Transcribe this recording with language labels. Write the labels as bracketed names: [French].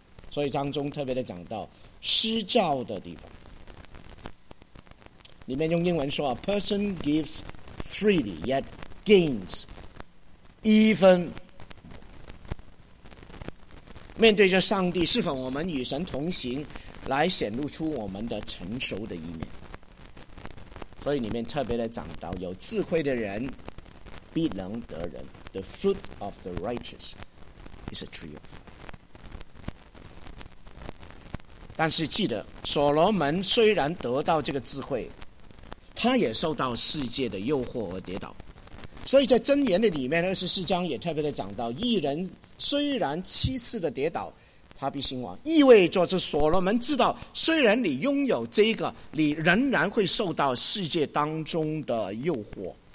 [Chinese] 所以当中特别的讲到施教的地方，里面用英文说 [English] A person gives freely yet gains even。 [Chinese] 面对着上帝，是否我们与神同行来显露出我们的成熟的一面。所以里面特别的讲到，有智慧的人必能得人， [English] The fruit of the righteous is a tree of life。 [Chinese] 但是记得，所罗门虽然得到这个智慧，他也受到世界的诱惑而跌倒。所以在箴言的里面，二十四章也特别的讲到，一人虽然七次的跌倒，他必兴亡。意味着是所罗门知道，虽然你拥有这个，你仍然会受到世界当中的诱惑。